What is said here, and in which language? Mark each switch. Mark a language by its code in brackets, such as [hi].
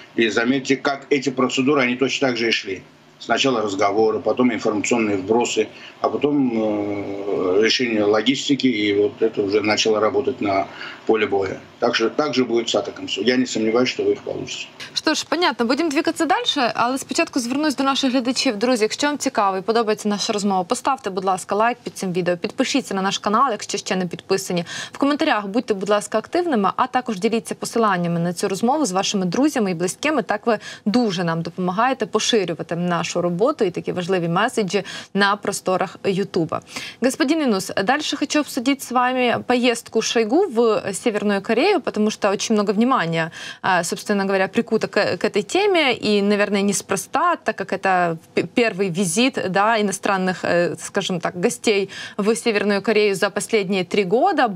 [ru] И заметьте, как эти процедуры, они точно так же и шли. Сначала разговоры, потом информационные вбросы, а потом решение логистики, и вот это уже начало работать на поле боя. Так же, будет с атаком. Я не сомневаюсь, что вы их получите. Что ж, понятно, будем двигаться дальше, [uk] але спочатку звернусь до наших глядачів. Друзі, якщо вам цікаво і подобається наша розмова, поставте, будь ласка, лайк під цим відео, підпишіться на наш канал, якщо ще не підписані. В коментарях будьте, будь ласка, активними, а також діліться посиланнями на цю розмову з вашими друзями і близькими. Так ви дуже нам допомагаєте поширювати нашу роботу і такі важливі меседжі на просторах Ютуба. [ru] Господин Інус, [uk] дальше хочу обсудити з вами поїздку Шойгу [ru] в Северную Корею, потому что очень много внимания, собственно говоря, прикута к этой теме, и, наверное, неспроста, так как это первый визит, да, иностранных, скажем так, гостей в Северную Корею за последние 3 года.